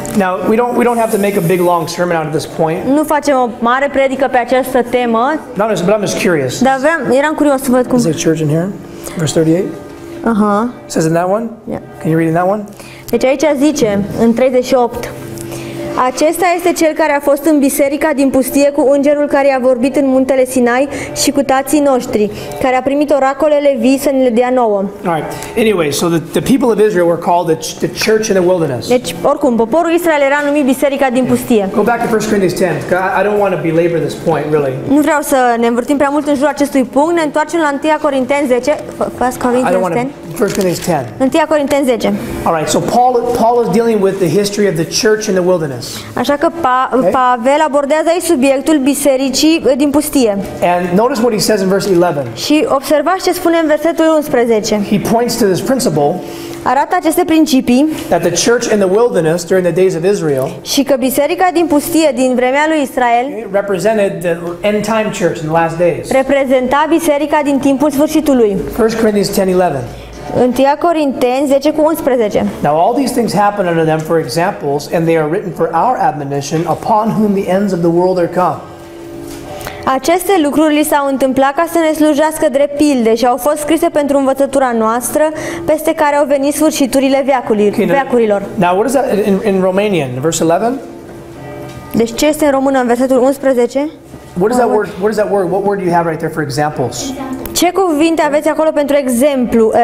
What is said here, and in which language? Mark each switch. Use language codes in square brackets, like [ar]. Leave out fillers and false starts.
[en] Now we don't have to make a big long sermon out of this point. [ro] Nu facem o mare predică pe această temă. [en] No, but I'm just curious. [ro] Dar eram curios să văd cum. [en] Is there church in here? Verse 38. Uh-huh. It says in that one. Yeah. Can you read in that one? [ro] Deci aici zice în 38. Acesta este cel care a fost în biserica din pustie cu îngerul care i-a vorbit în muntele Sinai și cu tații noștri, care a primit oracolele vii să ne le dea nouă. [en] All right. Anyway, so the people of Israel were called the church in the wilderness. [ro] Deci, oricum, poporul Israel era numit biserica din pustie. [en] Go back to 1 Corinthians 10, because I don't want to belabor this point, really. [ro] Nu vreau să ne învârtim prea mult în jurul acestui punct, ne întoarcem la 1 Corinteni 10. 1 Corinteni 10. [en] All right, so Paul is dealing with the history of the church in the wilderness. [ro] Așa că Pavel abordează aici subiectul bisericii din pustie. [en] And notice what he says in verse 11. [ro] Și observați ce spune în versetul 11. [en] He points to this principle. [ro] Arată aceste principii. [en] That the church in the wilderness during the days of Israel. [ro] Și că biserica din pustie din vremea lui Israel. [en] Represented the end time church in the last days. [ro] Reprezenta biserica din timpul sfârșitului. [en] 1 Corinthians 10:11. [ro] Întâia Corinteni 10 cu 11. [en] Now all these things happen unto them for examples, and they are written for our admonition, upon whom the ends of the world are come. [ro] Aceste lucruri li s-au întâmplat ca să ne slujească drept pilde și au fost scrise pentru învățătura noastră, peste care au venit sfârșiturile veacurilor. [en] Now what is that in Romanian, verse 11? [ro] Deci ce este în română în versetul 11? [en] What is that word? What word do you have right there for examples? [ro] Ce cuvinte aveți acolo pentru exemplu?